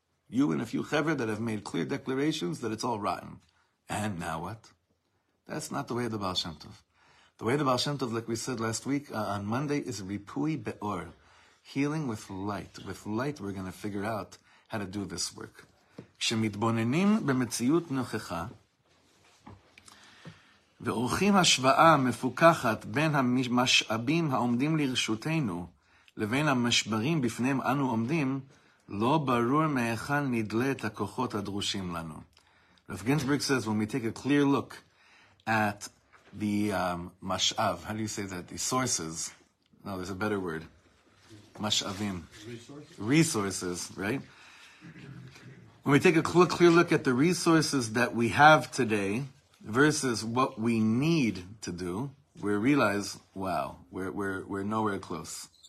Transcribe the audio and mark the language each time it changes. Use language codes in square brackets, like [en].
[en] You and a few chever that have made clear declarations that it's all rotten. And now what? That's not the way of the Baal Shem Tov. The way of the Baal Shem Tov, like we said last week, on Monday, is [he] ripui be'or. [en] Healing with light. With light, we're going to figure out how to do this work. [he] Kshemitbonenim b'metziyut nochecha, ועורכים השוואה מפוקחת בין המשאבים העומדים לרשותנו לבין המשברים בפניהם אנו עומדים, לא ברור מאיכן נדלה את הכוחות הדרושים לנו. [en] Rav Ginsburg says, when we take a clear look at the משאב, how do you say that? The sources. No, there's a better word. משאבים. Resources. Resources, right? When we take a clear look at the resources that we have today, versus what we need to do, we realize, wow, we're nowhere close.